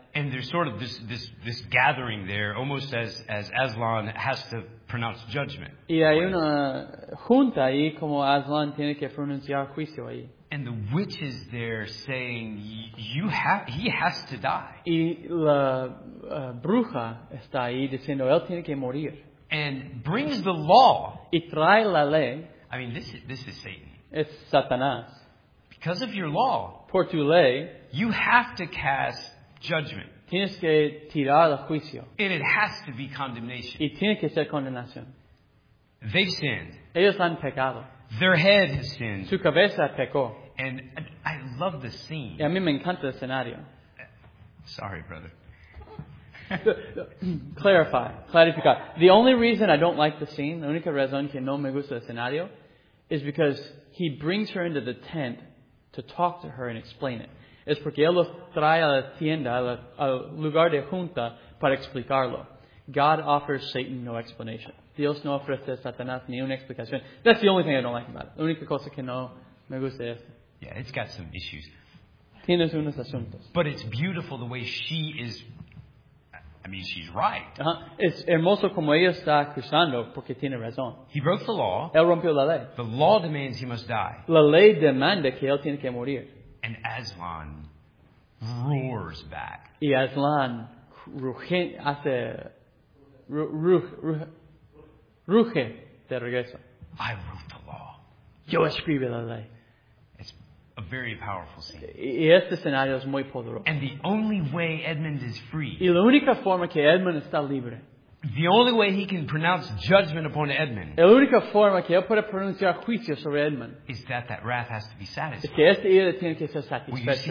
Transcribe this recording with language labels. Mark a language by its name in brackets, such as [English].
[English] And there's sort of this gathering there, almost as Aslan has to pronounce judgment. [Spanish] Y hay una junta ahí como Aslan tiene que pronunciar juicio ahí. [English] And the witch is there saying, he has to die. [Spanish] Y la bruja está ahí diciendo, él tiene que morir. [English] And brings the law. [Spanish] Y trae la ley. [English] I mean, this is Satan. [Spanish] Es Satanás. [English] Because of your law. [Spanish] Por tu ley. [English] You have to cast judgment. [Spanish] Tienes que tirar el juicio. [English] And it has to be condemnation. [Spanish] Y tiene que ser condenación. [English] They've sinned. [Spanish] Ellos han pecado. [English] Their head has sinned. [Spanish] Su cabeza pecó. [English] And I love the scene. [Spanish] Y a mí me encanta el escenario. [English] Sorry, brother. [Spanish] Clarificar. [English] The only reason I don't like the scene, [Spanish] la única razón que no me gusta el escenario, [English] is because he brings her into the tent to talk to her and explain it. [Spanish] Es porque él los trae a la tienda, al lugar de junta, para explicarlo. [English] God offers Satan no explanation. [Spanish] Dios no ofrece a Satanás ni una explicación. [English] That's the only thing I don't like about it. [Spanish] La única cosa que no me gusta es. [English] Yeah, it's got some issues. [Spanish] Tiene unos asuntos. [English] But it's beautiful the way she is. I mean, she's right. [Spanish] Es hermoso como ella está cruzando porque tiene razón. [English] He broke the law. [Spanish] Él rompió la ley. [English] The law demands he must die. [Spanish] La ley demanda que él tiene que morir. [English] And Aslan roars back. [Spanish] Y Aslan ruge de regreso. [English] I wrote the law. [Spanish] Yo escribí la ley. [English] It's a very powerful scene. [Spanish] Y este escenario es muy poderoso. [English] And the only way Edmund is free. [Spanish] Y la única forma que Edmund está libre. [English] The only way he can pronounce judgment upon Edmund. [Spanish] La única forma que él puede pronunciar juicio sobre Edmund. [English] Is that wrath has to be satisfied. [Spanish] Es que esta ira tiene que ser satisfecha.